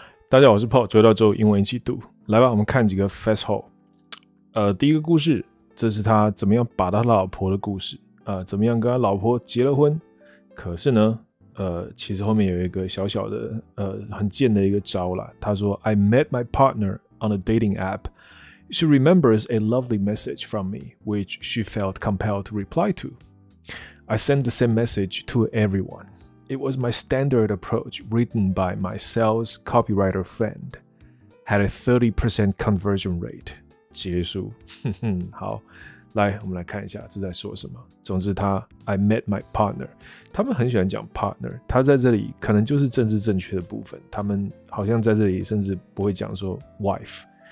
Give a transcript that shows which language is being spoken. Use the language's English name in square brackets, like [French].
[Chinese] 大家好，我是 Paul， 周一到周五英文一起读，来吧，我们看几个 fast hole。第一个故事，这是他怎么样把他老婆的故事，怎么样跟他老婆结了婚。可是呢，其实后面有一个小小的，很贱的一个招啦。他说 [English] ，I met my partner on a dating app. She remembers a lovely message from me, which she felt compelled to reply to. I sent the same message to everyone. It was my standard approach written by my sales copywriter friend. Had a 30% conversion rate. [Chinese] 结束。好，来，我们来看一下这在说什么。总之他 [English] I met my partner. [Chinese] 他们很喜欢讲 partner. 他在这里可能就是政治正确的部分。他们好像在这里甚至不会讲说 wife.